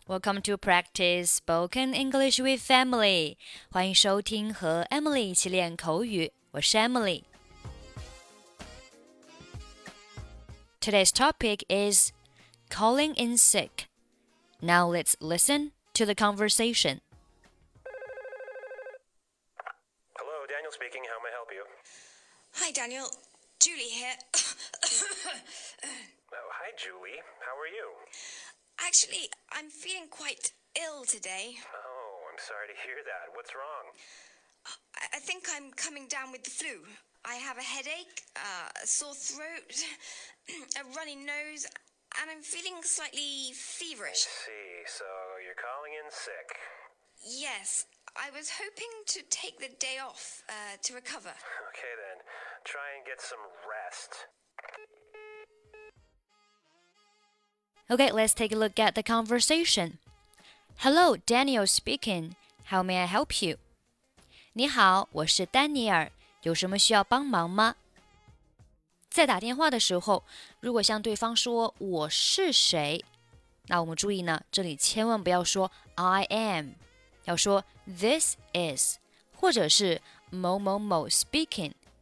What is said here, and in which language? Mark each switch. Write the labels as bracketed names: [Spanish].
[English] Welcome to practice spoken English with Emily. [Chinese] 欢迎收听和 Emily 一起练口语。我是 Emily. [English] Today's topic is calling in sick. Now let's listen to the conversation. Hello, Daniel speaking. How may I help you? Hi, Daniel. Julie here. Oh, hi, Julie. How are you? Actually, I'm feeling quite ill today. Oh, I'm sorry to hear that. What's wrong? I think I'm coming down with the flu. I have a headache, a sore throat, a runny nose, and I'm feeling slightly feverish. I see. So you're calling in sick. Yes. I was hoping to take the day off, to recover. Okay, then. Try and get some rest. Okay, let's take a look at the conversation. Hello, Daniel speaking. How may I help you? [Chinese] 你好，我是丹尼尔，有什么需要帮忙吗？在打电话的时候，如果向对方说我是谁，那我们注意呢，这里千万不要说 [English] I am， [Chinese] 要说 [English] This is， [Chinese] 或者是某某某 speaking。